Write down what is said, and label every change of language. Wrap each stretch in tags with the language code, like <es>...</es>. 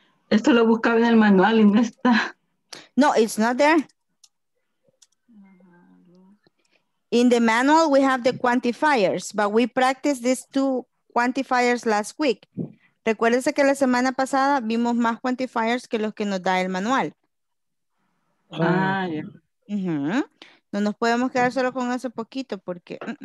<es>Esto lo buscaba en el manual y no está.</es> <en>No, it's not there. In the manual, we have the quantifiers, but we practiced these two quantifiers last week.</en> <es>Recuérdense que la semana pasada vimos más quantifiers que los que nos da el manual. Ah, ya.</es> <en>Yeah. Uh-huh.</en> <es>No nos podemos quedar solo con eso poquito porque...</es>